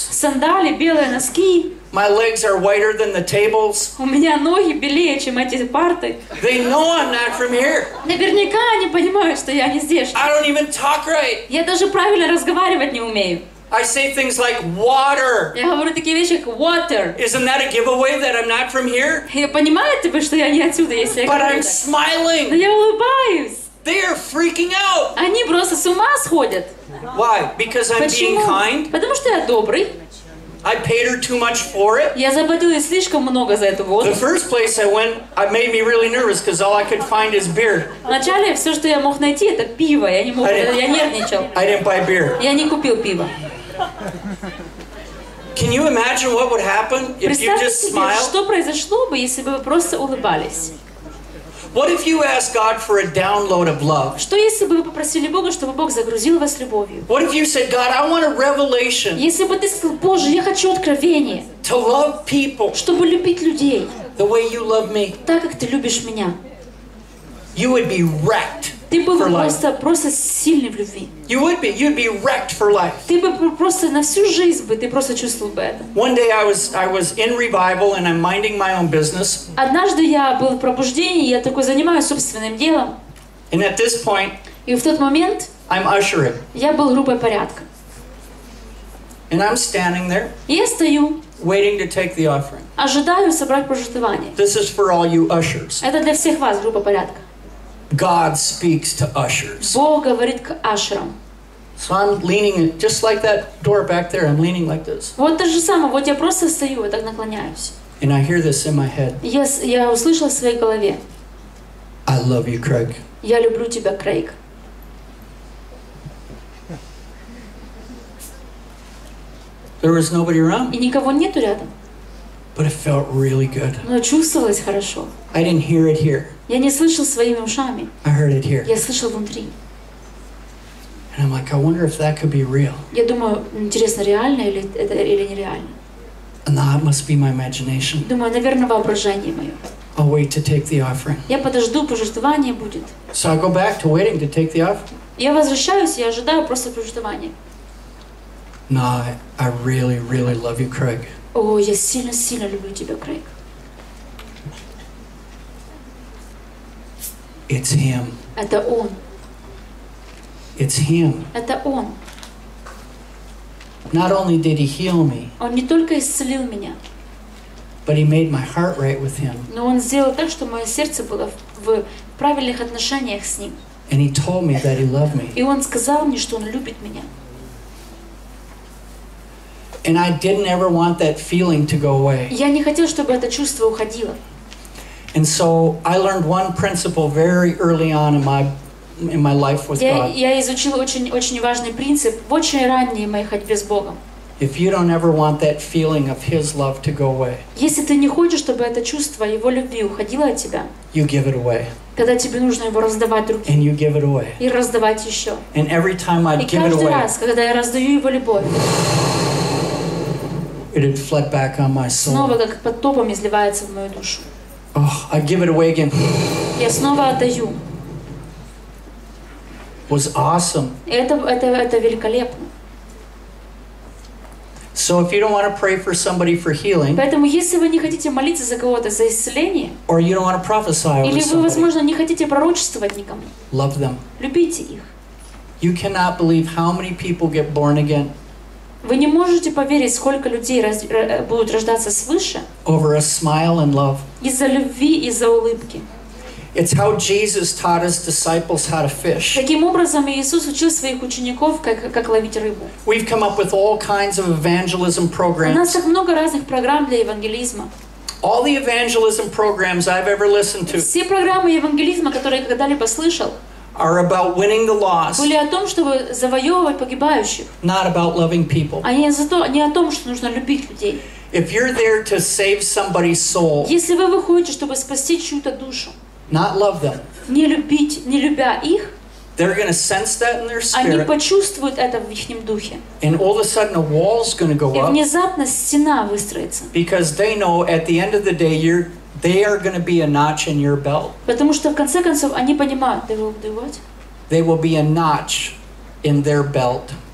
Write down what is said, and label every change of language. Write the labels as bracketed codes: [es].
[ru] Сандали, белые носки. [en] My legs are whiter than the tables. [ru] У меня ноги белее, чем эти парты. [en] They know I'm not from here. [ru] Наверняка они понимают, что я не здесь. [en] I don't even talk right. [ru] Я даже правильно разговаривать не умею. [en] I say things like water. [ru] Я говорю такие вещи, как water. [en] Isn't that a giveaway that I'm not from here? [ru] Я понимаю тебя, что я не отсюда, если я говорю. [en] But I'm smiling. [ru] Но я улыбаюсь. [en] They are freaking out. [ru] Они просто с ума сходят. [en] Why? Because I'm [ru] Почему? [en] Being kind? [ru] Потому что я добрый. [en] I paid her too much for it. [ru] Я заплатил ей слишком много за эту воду. [en] The first place I went, it made me really nervous because all I could find is beer. [ru] Вначале все, что я мог найти, это пиво. Я нервничал. [en] I didn't buy beer. [ru] Я не купил пиво. [en] Can you imagine what would happen if you just smiled? [ru] Представьте себе, что произошло бы, если бы вы просто улыбались. [en] What if you ask God for a download of love? [ru] Что если бы вы попросили Бога, чтобы Бог загрузил вас любовью? [en] What if you said, God, I want a revelation? [ru] Если бы ты сказал, Боже, я хочу откровение. [en] To love people. [ru] Чтобы любить людей. [en] The way you love me. [ru] Так как ты любишь меня. [en] You would be wrecked. [ru] Ты бы просто сильный в любви. [en] You would be, you'd be wrecked for life. [ru] Ты бы просто на всю жизнь бы, ты просто чувствовал бы это. [en] One day I was in revival and I'm minding my own business. [ru] Однажды я был в пробуждении, я такой занимаюсь собственным делом. [en] And at this point, [ru] и в тот момент, [en] I'm ushering. [ru] Я был группой порядка. [en] And I'm standing there. [ru] Я стою. [en] Waiting to take the offering. [ru] Ожидаю собрать пожертвование. [en] This is for all you ushers. [ru] Это для всех вас, группа порядка. [en] God speaks to ushers. [ru] Бог говорит к ашерам. [en] So I'm leaning just like that door back there. I'm leaning like this. [ru] Вот то же самое. Вот я просто стою, вот так наклоняюсь. [en] And I hear this in my head. [ru] Я услышала в своей голове. [en] I love you, Craig. [ru] Я люблю тебя, Крейг. [en] There was nobody around. [ru] И никого нету рядом. [en] But it felt really good. [ru] Но чувствовалось хорошо. [en] I didn't hear it here. [ru] Я не слышал своими ушами. [en] I heard it here. [ru] Я слышал внутри. [en] And I'm like, I wonder if that could be real. [ru] Я думаю, интересно, реально или это или нереально. [en] And that must be my imagination. [ru] Думаю, наверное, воображение мое. [en] I'll wait to take the offering. [ru] Я подожду, пожертвование будет. [en] So I go back to waiting to take the offering. [ru] Я возвращаюсь, я ожидаю просто пожертвования. [en] No, I really, really love you, Craig. [ru] О, я сильно, сильно люблю тебя, Крейг. [en] It's him. [ru] Это он. [en] It's him. [ru] Это он. [en] Not only did he heal me. [ru] Он не только исцелил меня. [en] But he made my heart right with him. [ru] Но он сделал так, что мое сердце было в правильных отношениях с ним. [en] And he told me that he loved me. [ru] И он сказал мне, что он любит меня. [en] And I didn't ever want that feeling to go away. [ru] Я не хотел, чтобы это чувство уходило. [en] And so I learned one principle very early on in my life with God. [ru] Я изучил очень очень важный принцип в очень ранней моей ходьбе с Богом. [en] If you don't ever want that feeling of His love to go away. [ru] Если ты не хочешь, чтобы это чувство Его любви уходило от тебя. [en] You give it away. [ru] Когда тебе нужно его раздавать другим. [en] And you give it away. [ru] И раздавать еще. [en] And every time I'd give it away. [ru] И каждый раз, когда я раздаю Его любовь. [en] It would flood back on my soul. [ru] Снова как потопом изливается в мою душу. [en] Oh, I give it away again. [ru] Я снова отдаю. [en] Was awesome. [ru] Это великолепно. [en] So if you don't want to pray for somebody for healing, [ru] поэтому если вы не хотите молиться за кого-то за исцеление, [en] or you don't want to prophesy over [ru] или вы, возможно, не хотите пророчествовать никому, [en] love them. [ru] Любите их. [en] You cannot believe how many people get born again. [ru] Вы не можете поверить, сколько людей будут рождаться свыше [en] over a smile and love. [ru] Из-за любви, из-за улыбки. [en] It's how Jesus taught his disciples how to fish. [ru] Таким образом Иисус учил своих учеников, как ловить рыбу. [en] We've come up with all kinds of evangelism programs. [ru] У нас так много разных программ для евангелизма. [en] All the evangelism programs I've ever listened to. [ru] Все программы евангелизма, которые я когда-либо слышал, [en] are about winning the lost. [ru] Были о том, чтобы завоевывать погибающих. [en] Not about loving people. [ru] А не о том, что нужно любить людей. [en] If you're there to save somebody's soul. [ru] Если вы выходите, чтобы спасти чью-то душу. [en] Not love them. [ru] Не любить, не любя их. [en] They're going to sense that in their spirit. [ru] Они почувствуют это в ихнем духе. [en] And all of a sudden a wall's going to go up. [ru] И внезапно стена выстроится. [en] Because they know at the end of the day you're they are going to be a notch in your belt. [ru] Потому что в конце концов они понимают, [en] they will do what? They will be a notch in their belt.